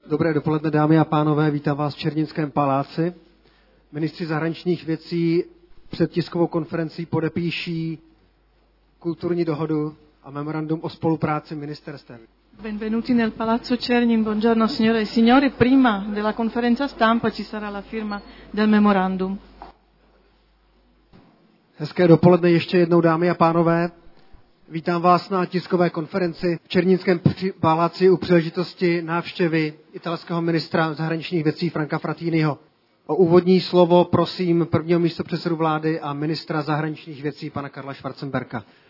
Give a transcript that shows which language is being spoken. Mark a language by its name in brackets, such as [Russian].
[Czech] Dobré dopoledne, dámy a pánové, vítám vás v Černínském paláci. Ministři zahraničních věcí před tiskovou konferencí podepíší kulturní dohodu a memorandum o spolupráci ministerstev. [Italian] Benvenuti nel Palazzo Černín. Buongiorno, signore e signori. Prima della conferenza stampa ci sarà la firma del memorandum. [Czech] Hezké dopoledne ještě jednou, dámy a pánové. Vítám vás na tiskové konferenci v Černínském paláci u příležitosti návštěvy italského ministra zahraničních věcí Franka Frattiniho. O úvodní slovo prosím prvního místopředsedu vlády a ministra zahraničních věcí pana Karla Schwarzenberga.